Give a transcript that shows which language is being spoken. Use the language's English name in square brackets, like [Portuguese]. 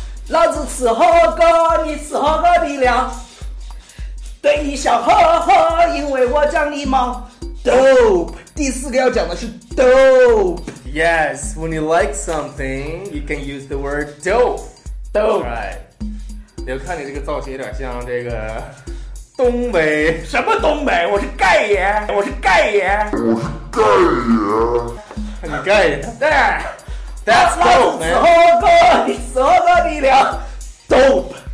[Chinese] 老子吃火锅，你吃火锅底料。对你笑呵呵，因为我讲礼貌。 Dope! 第四个要讲的是 dope! [English] Yes, when you like something, you can use the word dope! Dope! Alright. [Chinese] 你看你这个造型有点像这个东北。什么东北？我是盖爷！我是盖爷！我是盖爷！你盖爷？对！ [English] That's dope, man! [Chinese] 死活哥，你死活哥，你俩 dope!